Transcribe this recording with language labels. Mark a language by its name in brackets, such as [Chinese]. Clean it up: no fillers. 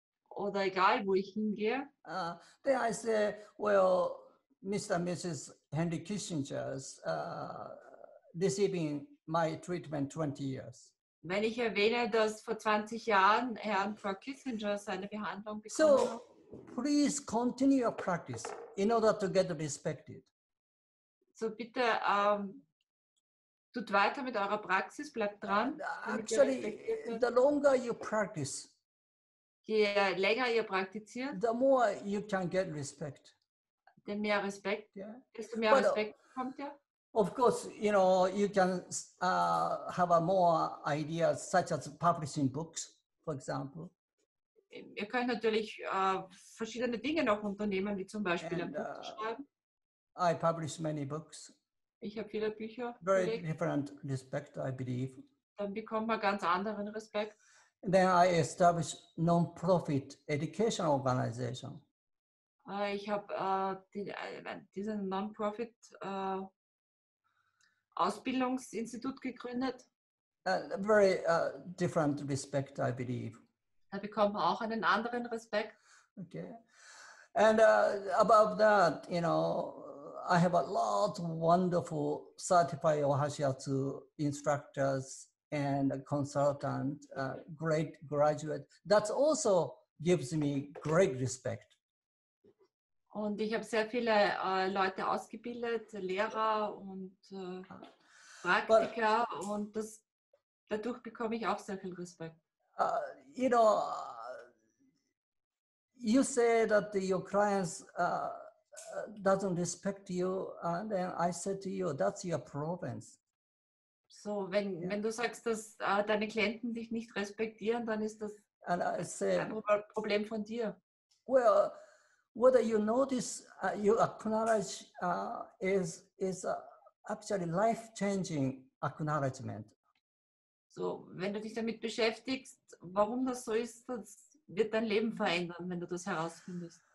[German] oder egal wo ich hingehe, [English] then I say, well, Mr. and Mrs. Henry Kissinger's receiving my treatment 20 years. [German] Wenn ich erwähne, dass vor 20 Jahren Herr und Frau Kissinger seine Behandlung bekommen [English] so, please continue your practice in order to get respected. [German] So bitte, tut weiter mit eurer Praxis, bleibt dran. [English] Actually, the longer you practice, [German] je länger ihr praktiziert, [English] the more you can get respect. [German] Den mehr Respekt, desto mehr Respekt kommt ja. [English] Of course, you know, you can have a more ideas such as publishing books, for example. [German] Ihr könnt natürlich verschiedene Dinge noch unternehmen, wie zum Beispiel ein Buch schreiben. [English] I publish many books. [German] Ich habe viele Bücher. [English] Very different respect, I believe. [German] Dann bekommt man ganz anderen Respekt. [English] And then I establish non-profit education organization. [German] Ich habe diesen Non-Profit Ausbildungsinstitut gegründet. [English] Very different respect, I believe. [German] Da bekommt man auch einen anderen Respekt. [English] Okay. And above that, you know, I have a lot of wonderful certified Ohashiatsu instructors and consultants, great graduates. That also gives me great respect. [German] Und ich habe sehr viele Leute ausgebildet, Lehrer und Praktiker, und das, dadurch bekomme ich auch sehr viel Respekt. [English] You know, you say that your clients doesn't respect you, and then I said to you, that's your province. [German] So, wenn, yeah, wenn du sagst, dass deine Klienten dich nicht respektieren, dann ist das ein Problem von dir. [English] Well, whether you notice, you acknowledge is actually life-changing acknowledgement. [German] So, wenn du dich damit beschäftigst, warum das so ist, das wird dein Leben verändern, wenn du das herausfindest.